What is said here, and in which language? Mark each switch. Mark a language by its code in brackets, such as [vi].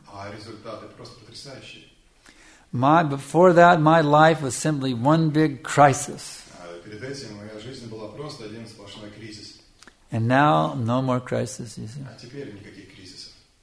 [ru] А результаты просто потрясающие. [en] Before that, my life was simply one big crisis. [ru] Перед этим моя жизнь была просто один сплошной кризис. [en] And now, no more crisis, you see. [ru] А теперь никаких кризисов.